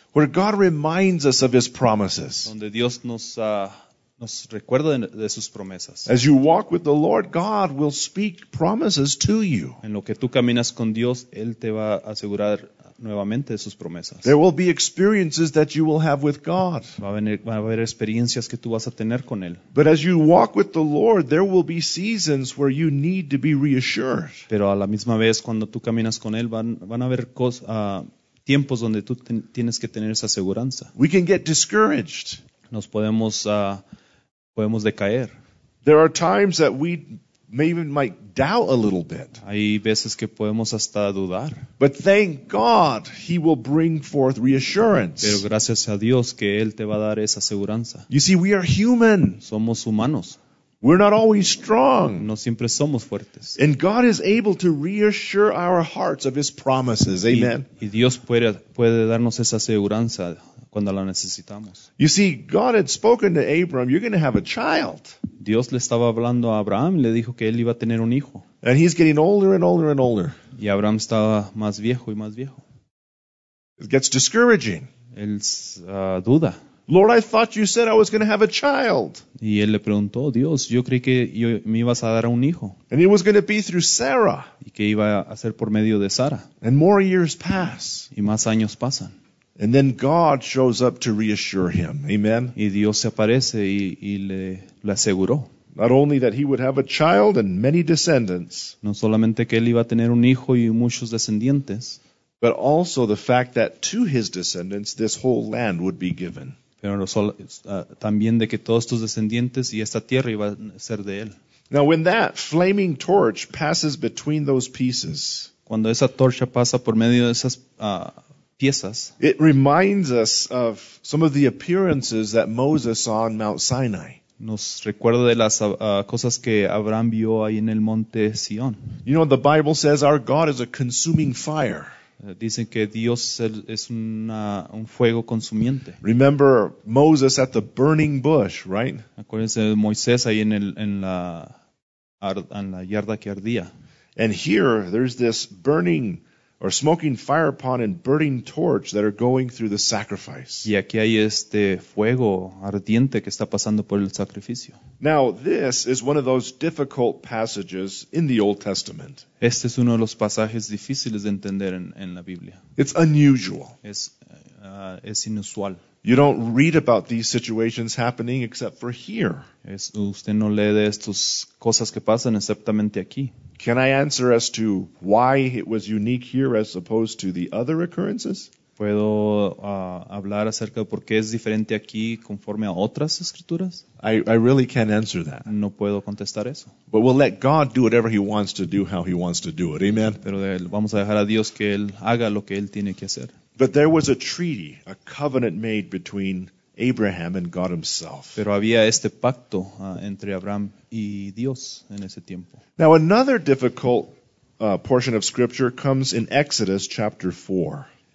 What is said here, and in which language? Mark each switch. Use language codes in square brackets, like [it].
[en] Where God reminds us of his promises. [es] Donde Dios nos recuerda de sus promesas. [en] As you walk with the Lord, God will speak promises to you. [es] En lo que tú caminas con Dios, él te va a asegurar nuevamente de sus promesas. [en] There will be experiences that you will have with God. [es] Va a haber experiencias que tú vas a tener con él. [en] But as you walk with the Lord, there will be seasons where you need to be reassured. [es] Pero a la misma vez cuando tú caminas con él, van a haber tiempos donde tú tienes que tener esa seguridad. [en] We can get discouraged. [es] Nos podemos decaer. [en] There are times that we maybe might doubt a little bit. [es] Hay veces que podemos hasta dudar. [en] But thank God, he will bring forth reassurance. [es] Pero gracias a Dios que él te va a dar esa seguridad. [en] You see, we are human. [es] Somos humanos. [en] We're not always strong. [es] No siempre somos fuertes. [en] And God is able to reassure our hearts of his promises. Amen. [es] Y Dios puede darnos esa seguridad cuando la necesitamos. [en] You see, God had spoken to Abraham, you're going to have a child. [es] Dios le estaba hablando a Abraham y le dijo que él iba a tener un hijo. [en] And he's getting older and older and older. [es] Y Abraham estaba más viejo y más viejo. [en] It gets discouraging. [es] Él duda. [en] Lord, I thought you said I was going to have a child. [es] Y él le preguntó, Dios, yo creí que me ibas a dar un hijo. [en] And it was going to be through Sarah. [es] Y que iba a ser por medio de Sara. [en] And more years pass. [es] Y más años pasan. [en] And then God shows up to reassure him. Amen. [es] Y Dios se aparece y le aseguró. [en] Not only that he would have a child and many descendants. [es] No solamente que él iba a tener un hijo y muchos descendientes. [en] But also the fact that to his descendants this whole land would be given. [es] Pero también de que todos tus descendientes y esta tierra iba a ser de él. [en] Now when that flaming torch passes between those pieces. [es] Cuando esa torcha pasa por medio de esas piezas. [en] It reminds us of some of the appearances that Moses saw on Mount Sinai. [es] Nos recuerda de las cosas que Abraham vio ahí en el monte Sion. [en] You know, the Bible says our God is a consuming fire. [es] Dicen que Dios es un fuego consumiente. [en] Remember Moses at the burning bush, right? [es] Acuérdense de Moisés ahí en la yarda que ardía. [en] And here there's this burning or smoking fire upon and burning torch that are going through the sacrifice. [es] Y aquí hay este fuego ardiente que está pasando por el sacrificio. [en] Now, this is one of those difficult passages in the Old Testament. [es] Este es uno de los pasajes difíciles de entender en la Biblia. [en] It's unusual. [es] Es inusual. [en] You don't read about these situations happening except for here. [es] Usted no lee de estas cosas que pasan exactamente aquí. [en] Can I answer as to why it was unique here as opposed to the other occurrences? [es] ¿Puedo hablar acerca de por qué es diferente aquí conforme a otras escrituras? [en] I really can't answer that. [es] No puedo contestar eso. [en] But we'll let God do whatever he wants to do how he wants to do it. Amen. [es] Pero vamos a dejar a Dios que él haga lo que él tiene que hacer. [en] But there was a treaty, a covenant made between Abraham and God himself. [es] Pero había este pacto entre Abraham y Dios en ese tiempo. [en] Now another difficult portion of scripture comes in Exodus chapter 4.